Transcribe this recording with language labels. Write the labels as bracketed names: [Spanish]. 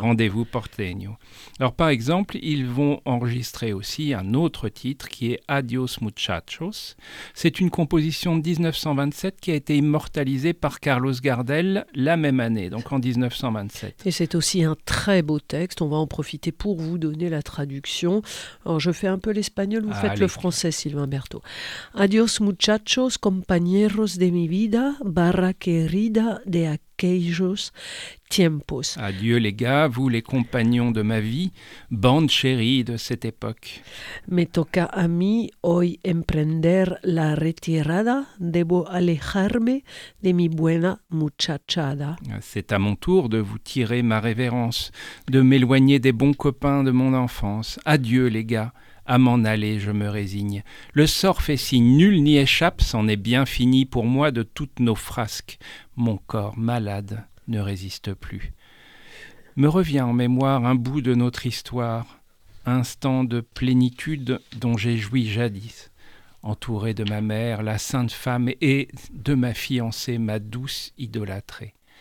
[French] « Rendez-vous Porteño ». Alors par exemple, ils vont enregistrer aussi un autre titre qui est « Adios Muchachos ». C'est une composition de 1927 qui a été immortalisée par Carlos Gardel la même année, donc en 1927. Et c'est aussi un très beau texte, on va en profiter pour vous donner la traduction. Alors je fais un peu l'espagnol, vous faites le français, Sylvain Berthaud. [Spanish] « Adios muchachos, compañeros de mi vida, barra querida de aquellos tiempos. » [French] Adieu les gars, vous les compagnons de ma vie, bande chérie de cette époque. [Spanish] Me toca a mí hoy emprender la retirada, debo alejarme de mi buena muchachada. [French] C'est à mon tour de vous tirer ma révérence, de m'éloigner des bons copains de mon enfance. Adieu les gars, à m'en aller je me résigne. Le sort fait signe, nul n'y échappe, c'en est bien fini pour moi de toutes nos frasques. Mon corps malade ne résiste plus. Me revient en mémoire un bout de notre histoire, instant de plénitude dont j'ai joui jadis, entouré de ma mère, la sainte femme, et de ma fiancée, ma douce idolâtrée.